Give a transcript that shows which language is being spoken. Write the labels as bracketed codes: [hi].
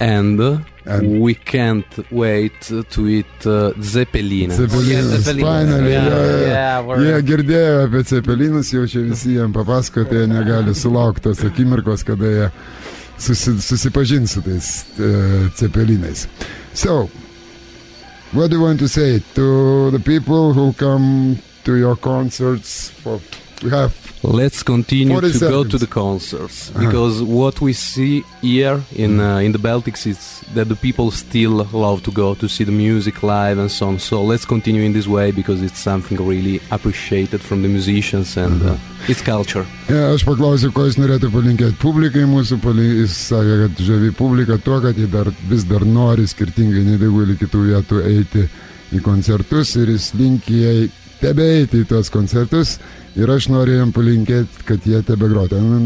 [en] And we can't wait to eat zeppelinas. Zeppelinas, finally. Yeah, [lt] girdėjo apie zeppelinas, jau čia visi jiems papasako, tai jie negali sulaukti tos akimirkos, kada jie susipažins su tais zeppelinais. [en] So, what do you want to say to the people who come to your concerts for... We have let's continue to go to the concerts because what we see here in the Baltics is that the people still love to go to see the music live and so on. So let's continue in this way because it's something really appreciated from the musicians and it's culture. [lt] Yeah, aš paklausiu, ko jis norėtų palinkėti publikai mūsų, jis sakė, kad žavi publika tuo, kad jie dar vis dar nori skirtingai nedaugelį kitų vietų eiti į koncertus ir jis linki jai tebeiti į tuos koncertus. Ir aš noriu jam palinkėti, kad jie tebe grotų.